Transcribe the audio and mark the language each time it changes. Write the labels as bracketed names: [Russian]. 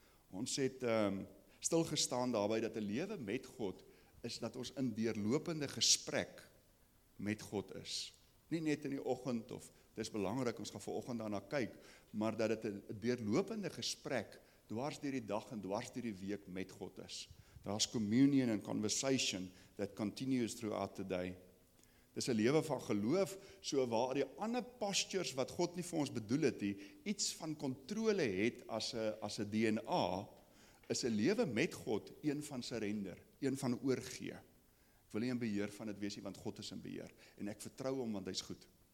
[Afrikaans] Ons het stilgestaan daarby dat 'n lewe met God is dat ons in deurlopende gesprek met God is. Nie net in die oggend of dis belangrik ons gaan vanoggend daarna kyk, maar dat dit 'n deurlopende gesprek dwars deur die dag en dwars deur die week met God is. Daar's [English] communion and conversation that continues throughout the day. [Afrikaans] Dis 'n lewe van geloof, so waar die ander postures wat God nie vir ons bedoel het nie, iets van kontrole het as 'n DNA, is 'n lewe met God een van surrender, een van oorgee. Ek wil nie in beheer van dit wees nie, want God is in beheer. En ek vertrou hom, want hy is goed.